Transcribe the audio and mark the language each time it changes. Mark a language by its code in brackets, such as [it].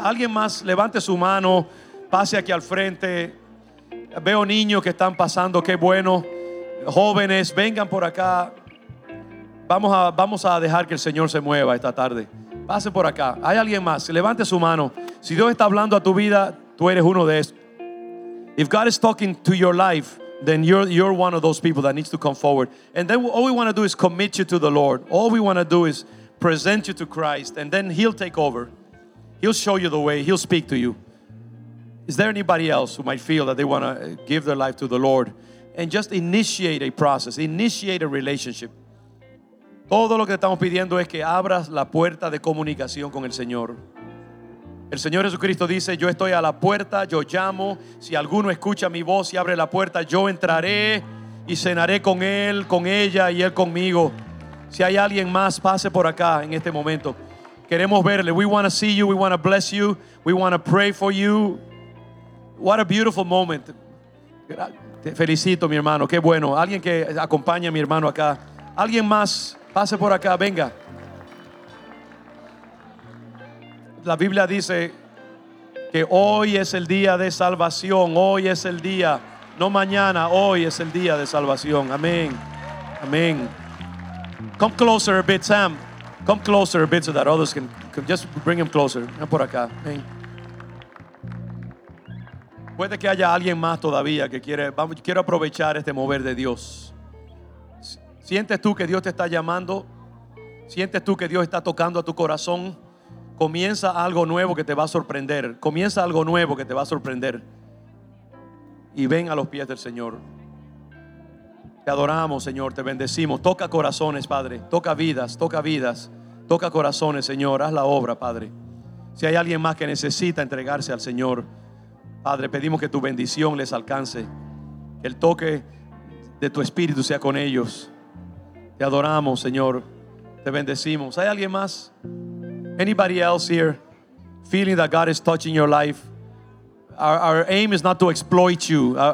[es] Alguien más, levante su mano, pase aquí al frente. Veo niños que están pasando, qué bueno. Jóvenes, vengan por acá. Vamos a dejar que el Señor se mueva esta tarde. Pase por acá. Hay alguien más, levante su mano. Si Dios está hablando a tu vida, tú eres uno de estos. [en] If God is talking to your life, then you're one of those people that needs to come forward. And then all we want to do is commit you to the Lord. All we want to do is present you to Christ, and then he'll take over. He'll show you the way. He'll speak to you. Is there anybody else who might feel that they want to give their life to the Lord? And just initiate a process. Initiate a relationship. [es] Todo lo que estamos pidiendo es que abras la puerta de comunicación con el Señor. El Señor Jesucristo dice, yo estoy a la puerta, yo llamo. Si alguno escucha mi voz y abre la puerta, yo entraré y cenaré con él, con ella y él conmigo. Si hay alguien más, pase por acá en este momento. Queremos verle. [en] We want to see you. We want to bless you. We want to pray for you. What a beautiful moment. [es] Te felicito, mi hermano. Qué bueno. Alguien que acompaña a mi hermano acá. Alguien más, pase por acá. Venga. La Biblia dice que hoy es el día de salvación. Hoy es el día, no mañana, hoy es el día de salvación. Amén, amén. [en] Come closer a bit, Sam. Come closer a bit so that others can just bring him closer. [es] Ven por acá. Amén. Puede que haya alguien más todavía que quiere, vamos, quiero aprovechar este mover de Dios. ¿Sientes tú que Dios te está llamando? ¿Sientes tú que Dios está tocando a tu corazón? Comienza algo nuevo que te va a sorprender. Comienza algo nuevo que te va a sorprender. Y ven a los pies del Señor. Te adoramos, Señor, te bendecimos. Toca corazones, Padre. Toca vidas, toca vidas. Toca corazones, Señor. Haz la obra, Padre. Si hay alguien más que necesita entregarse al Señor, Padre, pedimos que tu bendición les alcance. Que el toque de tu Espíritu sea con ellos. Te adoramos, Señor. Te bendecimos. ¿Hay alguien más? [en] Anybody else here feeling that God is touching your life? Our aim is not to exploit you.